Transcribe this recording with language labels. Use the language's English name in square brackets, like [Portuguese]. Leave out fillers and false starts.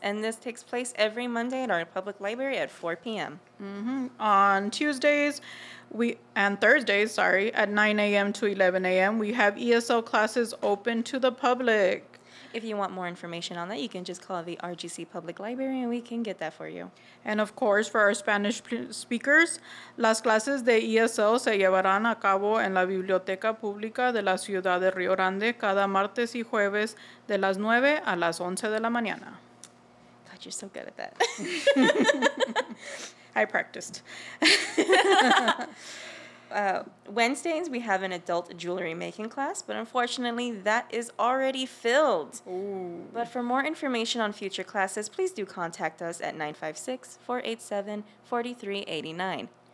[English] And this takes place every Monday at our public library at 4 p.m. Mm-hmm. On Tuesdays, and Thursdays, at 9 a.m. to 11 a.m., we have ESL classes open to the public. If you want more information on that, you can just call the RGC Public Library and we can get that for you. And of course, for our Spanish speakers, [Spanish] las clases de ESL se llevarán a cabo en la Biblioteca Pública de la Ciudad de Río Grande cada martes y jueves de las 9 a las 11 de la mañana. [English] God, you're so good at that. I practiced. Wednesdays, we have an adult jewelry making class, but unfortunately, that is already filled. Ooh. But for more information on future classes, please do contact us at 956-487-4389.